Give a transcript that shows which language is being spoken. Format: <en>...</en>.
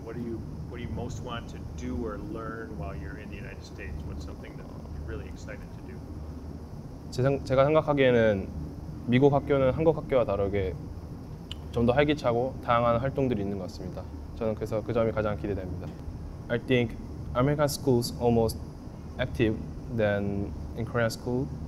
<en>What do you most want to do or learn while you're in the United States? What's something that you're really excited to do?</en> <ko>제가 생각하기에는 미국 학교는 한국 학교와 다르게 좀 더 활기차고 다양한 활동들이 있는 것 같습니다. 저는 그래서 그 점이 가장 기대됩니다.</ko> <en>I think American schools almost active than in Korean school.</en>